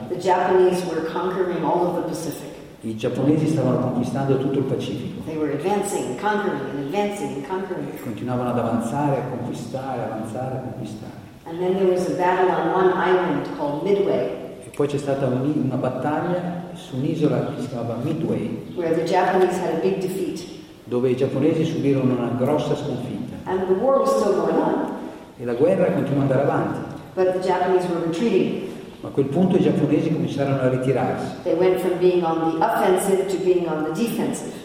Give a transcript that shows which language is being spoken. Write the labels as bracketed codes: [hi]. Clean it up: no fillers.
[en] The Japanese were conquering all of the Pacific. [it] I giapponesi stavano conquistando tutto il Pacifico. [en] They were advancing and conquering and advancing and conquering. [it] Continuavano ad avanzare, a conquistare, avanzare, conquistare. [en] And then there was a battle on one island called Midway. [it] E poi c'è stata una battaglia su un'isola che si chiamava Midway. [en] Where the Japanese had a big defeat. [it] Dove i giapponesi subirono una grossa sconfitta. [en] And the war was still going on. [it] E la guerra continuò ad andare avanti. [en] But the Japanese were retreating. [it] A quel punto i giapponesi cominciarono a ritirarsi. [en] They went from being on the offensive to being on the defensive.